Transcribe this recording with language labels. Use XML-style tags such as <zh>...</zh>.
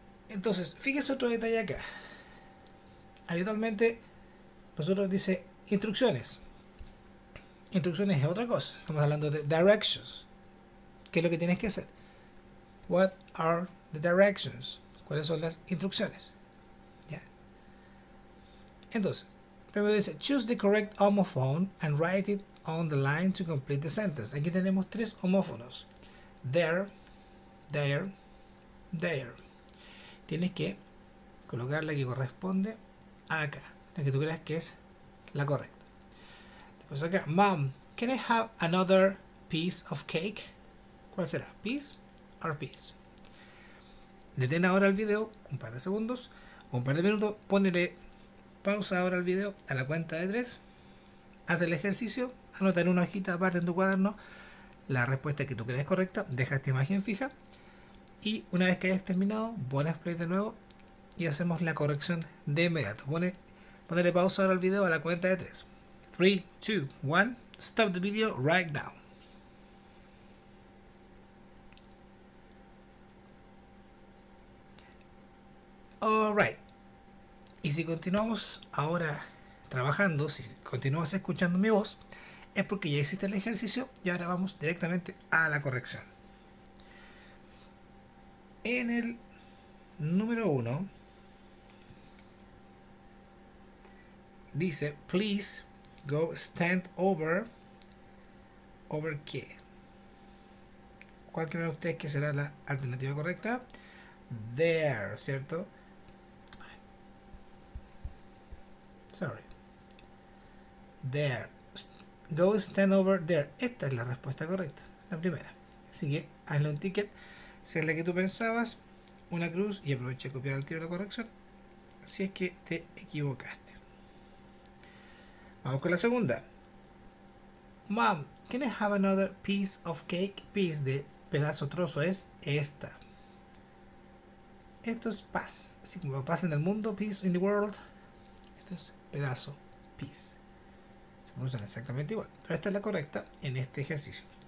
<es>Entonces, fíjese otro detalle acá. Habitualmente, nosotros dice instrucciones. Instrucciones es otra cosa. Estamos hablando de directions. ¿Qué es lo que tienes que hacer? What are the directions? ¿Cuáles son las instrucciones? ¿Ya? Entonces, primero dice,</es> <en>choose the correct homophone and write it on the line to complete the sentence.</en> <es>Aquí tenemos tres homófonos. There, there, there. Tienes que colocar la que corresponde acá, la que tú creas que es la correcta. Después acá,</es> <en>mom, can I have another piece of cake?</en> <es>¿Cuál será? ¿Piece or piece? Detén ahora el video un par de segundos, un par de minutos, ponele pausa ahora al video a la cuenta de tres. Haz el ejercicio, anota en una hojita aparte en tu cuaderno la respuesta que tú crees correcta, deja esta imagen fija y una vez que hayas terminado, pones play de nuevo y hacemos la corrección de inmediato. Ponele pausa ahora al video a la cuenta de tres.</es> <en>3, 2, 1, stop the video right now.</en> <es>Alright, y si continuamos ahora trabajando, si continúas escuchando mi voz, es porque ya hiciste el ejercicio y ahora vamos directamente a la corrección. En el número 1 dice,</es> <en>please go stand over,</en> <es>¿over qué? ¿Cuál creen ustedes que será la alternativa correcta? There, ¿cierto?</es> <en>Sorry. There. Go stand over there.</en> <es>Esta es la respuesta correcta. La primera. Así que hazle un ticket. Si es la que tú pensabas, una cruz y aprovecha de copiar el tiro de la corrección. Si es que te equivocaste. Vamos con la segunda.</es> <en>Mom, can I have another piece of cake?</en> <es>Piece de pedazo trozo es esta. Esto es paz. Así como paz en el mundo,</es> <en>peace in the world.</en> <es>Esto es pedazo, pis. Se pronuncian exactamente igual, pero esta es la correcta en este ejercicio.</es>